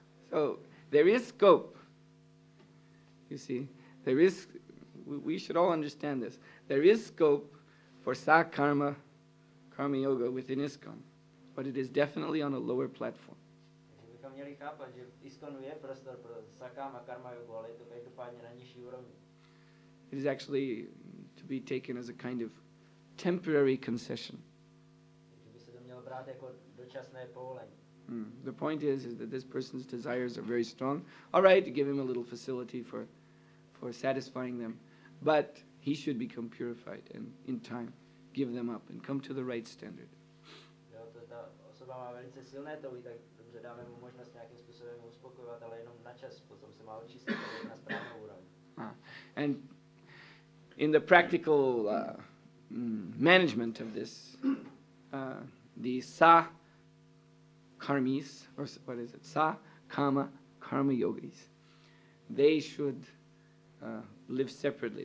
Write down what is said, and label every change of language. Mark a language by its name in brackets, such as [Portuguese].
[English] So there is scope. You see, there is, we should all understand this. There is scope for sakarma, karma yoga within ISKCON, but it is definitely on a lower platform. [Czech] Měli chápat, že v ISKCONu je prostor pro sakama karma yoga, ale je to každopádně na nižší úrovni. [English] It is actually to be taken as a kind of temporary concession. [Czech] Že by se to mělo brát jako dočasné povolení. [English] The point is that this person's desires are very strong. All right, give him a little facility for satisfying them, but he should become purified and in time give them up and come to the right standard. [Czech] Jo, to ta osoba má velice silné touhy, tak dobře, dáme mu možnost nějakým způsobem uspokojovat, ale jenom na čas, potom se má očistit na správnou úroveň. [English] And in the practical management of this, the sa karmis, or what is it, sa kama karma yogis, they should live separately.